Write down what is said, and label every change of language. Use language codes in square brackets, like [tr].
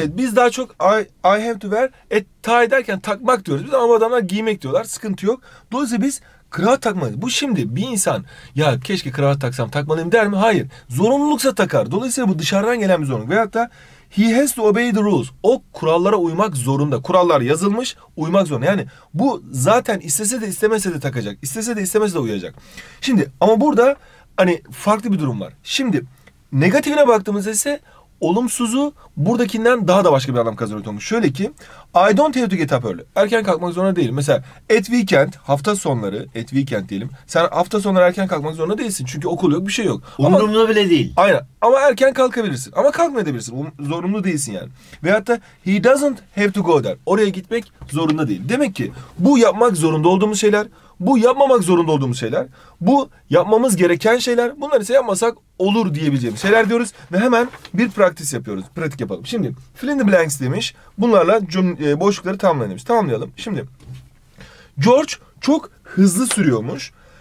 [tr] Evet, biz daha çok [en] I have to wear a tie [tr] derken takmak diyoruz. Biz ama adamlar giymek diyorlar. Sıkıntı yok. Dolayısıyla biz kravat takmalıyım. Bu şimdi bir insan ya keşke kravat taksam takmalıyım der mi? Hayır. Zorunluluksa takar. Dolayısıyla bu dışarıdan gelen bir zorunluluk. Veyahut da [en] he has to obey the rules. [tr] O kurallara uymak zorunda. Kurallar yazılmış, uymak zorunda. Yani bu zaten istese de istemese de takacak. İstese de istemese de uyacak. Şimdi ama burada hani farklı bir durum var. Şimdi negatifine baktığımızda ise olumsuzu buradakinden daha da başka bir anlam kazanıyor. Şöyle ki [en] I don't have to get up early. [tr] Erken kalkmak zorunda değilim. Mesela [en] at weekend, [tr] hafta sonları at weekend diyelim. Sen hafta sonları erken kalkmak zorunda değilsin. Çünkü okul yok, bir şey yok. Umurumda bile değil. Aynen. Ama erken kalkabilirsin. Ama kalkmayabilirsin. Zorunlu değilsin yani. Veyahut da [en] he doesn't have to go there. [tr] Oraya gitmek zorunda değil. Demek ki bu yapmak zorunda olduğumuz şeyler, bu yapmamak zorunda olduğumuz şeyler, bu yapmamız gereken şeyler, bunları ise yapmasak olur diyebileceğimiz şeyler diyoruz. Ve hemen bir practice yapıyoruz. Pratik yapalım. Şimdi [en] fill in the blanks [tr] demiş. Bunlarla boşlukları tamamlayalım demiş. Tamamlayalım. Şimdi George çok hızlı sürüyormuş.